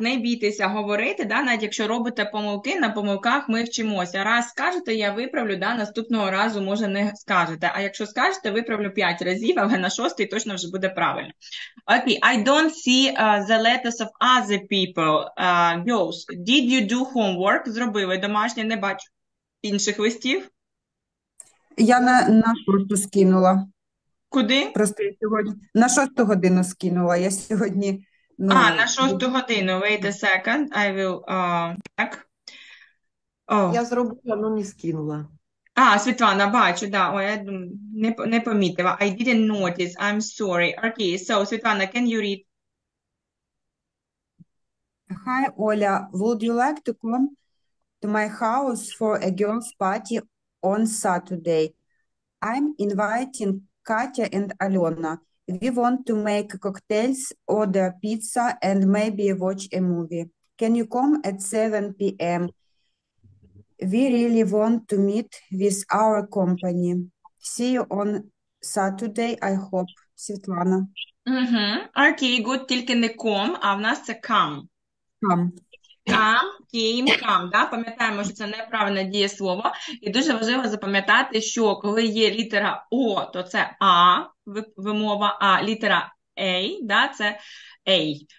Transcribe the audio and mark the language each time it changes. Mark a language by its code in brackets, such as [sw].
[uk] Не бійтеся говорити, да, навіть якщо робите помилки, на помилках ми вчимося. Раз скажете, я виправлю, да, наступного разу може не скажете. А якщо скажете, виправлю 5 разів, але на шостий точно вже буде правильно. [en] Окей, okay, I don't see the letters of other people. Girls, did you do homework? [uk] Зробили домашнє, не бачу інших листів. Я на шосту скинула. Куди? Просто я сьогодні на шосту годину скинула. Я сьогодні, А, на ну, шосту годину. [en] Wait a second. I will, [uk] так. я О. зробила, але не скинула. А, Світлана, бачу, да. Ой, я не помітила. [en] I didn't notice. I'm sorry. Okay, so, Світлана, can you read? Hi, Оля. Would you like to come to my house for a girls' party on Saturday? I'm inviting Katya and Alona. We want to make cocktails, order pizza, and maybe watch a movie. Can you come at 7 p.m.? We really want to meet with our company. See you on Saturday, I hope. Світлана. [uk] Окей, good, тільки не ком, а в нас це кам. [en] Come. [uk] Кам, кім, кам, да? Пам'ятаємо, що це неправильне дієслово. І дуже важливо запам'ятати, що коли є літера О, то це А, вимова, а літера Ей, да, це Ей.